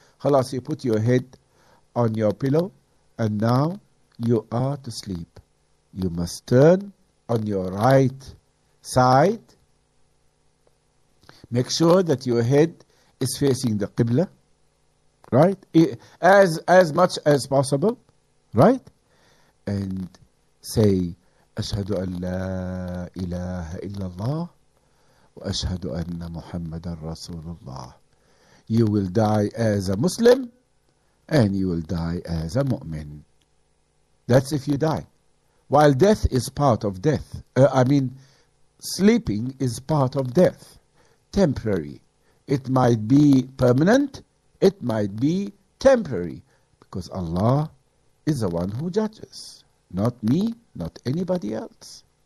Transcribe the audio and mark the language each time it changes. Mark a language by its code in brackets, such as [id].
[en] Khalas, you put your head on your pillow and now you are to sleep. You must turn on your right side. Make sure that your head is facing the Qibla, right? As much as possible, right? And say, [ar] أشهد أن لا إله إلا الله وأشهد أن محمد رسول الله. [en] You will die as a Muslim and you will die as a mu'min. That's if you die. While death is part of death, sleeping is part of death. Temporary. It might be permanent, it might be temporary, because Allah is the one who judges, not me, not anybody else.